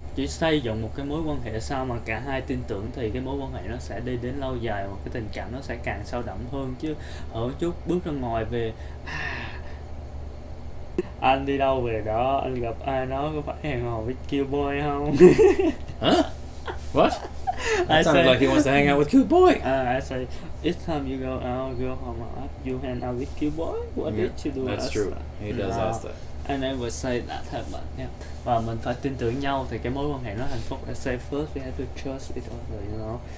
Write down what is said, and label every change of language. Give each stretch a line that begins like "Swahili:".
Vietnamese: Chỉ xây dựng một cái mối quan hệ sao mà cả hai tin tưởng thì cái mối quan hệ nó sẽ đi đến lâu dài và cái tình cảm nó sẽ càng sâu đậm hơn. Chứ ở chút bước ra ngoài về anh đi đâu về đó, anh gặp ai đó có phải hẹn hò với cute boy không?
English: Huh? What? That I sounds say, like he wants to hang out with cute boy. I say, it's time you go out, go home, you hang out with cute boy. What did you do? That's true. That? He does ask that. And I would say that happened. Yeah.
Vietnamese: Và mình phải tin tưởng nhau thì cái mối quan hệ nó hạnh phúc.
English: I say first we have to trust each other, you know.